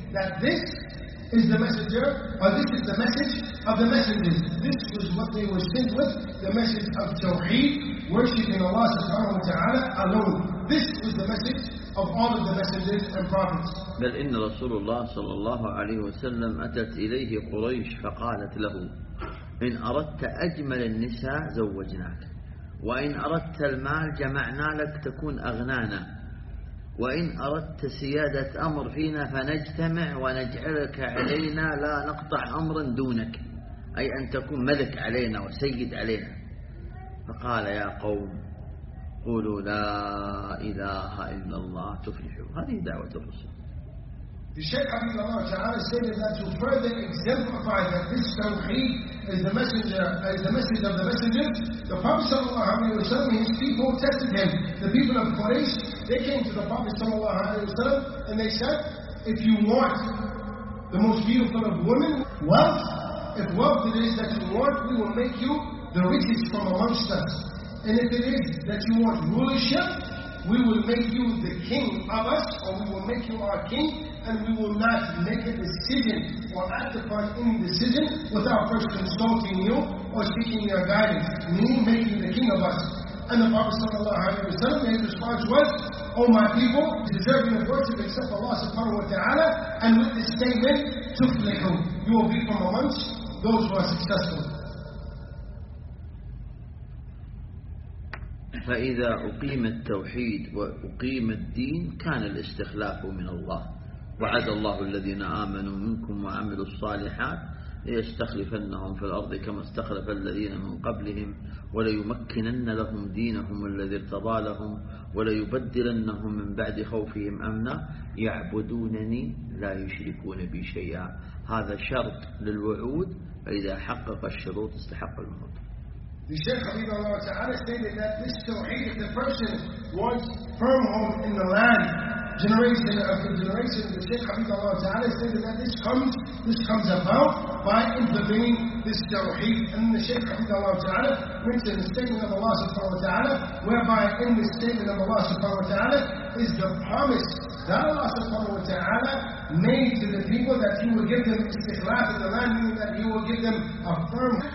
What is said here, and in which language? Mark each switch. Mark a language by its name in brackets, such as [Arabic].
[English] That this is the messenger, or this is the message of the messengers. This was what they were sent with, the message of Tawheed, worshipping Allah subhanahu wa ta'ala alone. This was the message of all of the messengers and prophets. [Arabic] بل إن رسول الله صلى الله عليه وسلم أتت إليه قريش فقالت له إن أردت أجمل النساء زوجناك وإن أردت المال جمعنا لك تكون أغنانا وإن أردت سيادة أمر فينا فنجتمع ونجعلك علينا لا نقطع أمرا دونك أي أن تكون ملك علينا وسيد علينا. فقال يا قوم قولوا لا إله إلا الله تفلحوا. هذه دعوة الرسول. [English] The Shaykh Habibullah Ta'ala stated that to further exemplify that this Tawheed is the message of the messenger, the Prophet Sallallahu Alaihi Wasallam, his people tested him. The people of Quraysh, they came to the Prophet Sallallahu Alaihi Wasallam and they said, if you want the most beautiful of women, wealth, if wealth it is that you want, we will make you the richest from amongst us. And if it is that you want rulership, we will make you the king of us, or we will make you our king, and we will not make a decision or act upon any decision without first consulting you or seeking your guidance, meaning making the king of us. And the Prophet sallallahu alaihi wasallam, his response was, O my people, deserving of worship except Allah subhanahu wa ta'ala, and with this statement, tuflihu, you will be from amongst those who are successful. [Arabic] فإذا أقيم التوحيد وأقيم الدين كان الاستخلاف من الله، وعد الله الذين آمنوا منكم وعملوا الصالحات ليستخلفنهم في الأرض كما استخلف الذين من قبلهم، وليمكنن لهم دينهم الذي ارتضى لهم، وليبدلنهم من بعد خوفهم أمنا يعبدونني لا يشركون بي شيئا. هذا شرط للوعود، فإذا حقق الشروط استحق الموعود. [English] The Shaykh Habibullah Ta'ala stated that this tawheed, if the person wants firm home in the land, generation after generation, the Shaykh Habibullah Ta'ala stated that this comes about by implementing this tawheed. And the Shaykh Habibullah Ta'ala mentioned the statement of Allah subhanahu wa ta'ala, whereby in the statement of Allah subhanahu wa ta'ala is the promise that Allah subhanahu wa ta'ala made to the people that he will give them istikhlaf in the land, meaning that he will give them a firm.